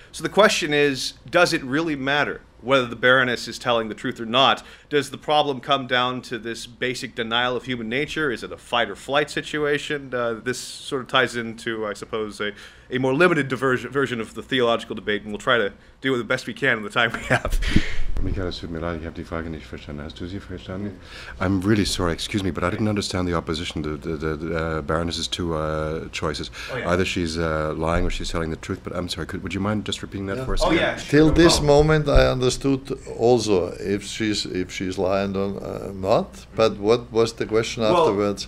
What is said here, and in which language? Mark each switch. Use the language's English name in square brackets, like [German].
[English] So the question is, does it really matter whether the Baroness is telling the truth or not? Does the problem come down to this basic denial of human nature? Is it a fight or flight situation? This sort of ties into, I suppose, a more limited version of the theological debate, and we'll try to do it the best we can in the time we have. [German] Michael, es tut mir leid, ich habe die Frage nicht verstanden. Hast du sie verstanden? [English] I'm really sorry, excuse me, but I didn't understand the opposition, the Baroness's two choices. Oh, yeah. Either she's lying or she's telling the truth, but I'm sorry, would you mind just repeating that for us? Oh, yeah. Sure. Till this moment, I understood also if she's lying or not, but what was the question afterwards?